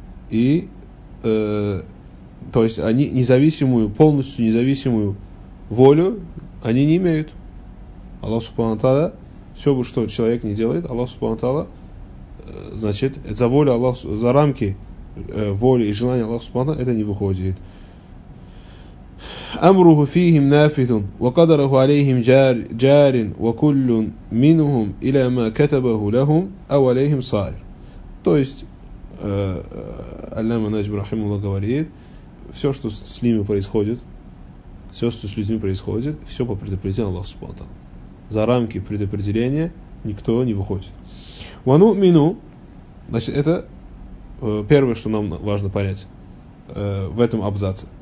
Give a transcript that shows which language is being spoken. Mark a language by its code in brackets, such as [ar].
[ru] И, то есть, они независимую, полностью независимую волю они не имеют. Аллах Субхану ва Тааля, все, что человек не делает, Аллах Субхану ва Тааля, значит, за волю Аллаха, за рамки воли и желания Аллаха Субхану ва Тааля, это не выходит. [ar] أمره فيهم نافذ وقدره عليهم جار وكل منهم إلى ما كتبه لهم أو عليهم صائر. [ru] То есть Аль-Имам Наджм рахимахуллах говорит, все, что с ними происходит, все, что с людьми происходит, все по предопределению Аллаха Субхану ва Тааля. За рамки предопределения никто не выходит. [ar] ونؤمنوا, [ru] значит, это первое, что нам важно понять в этом абзаце.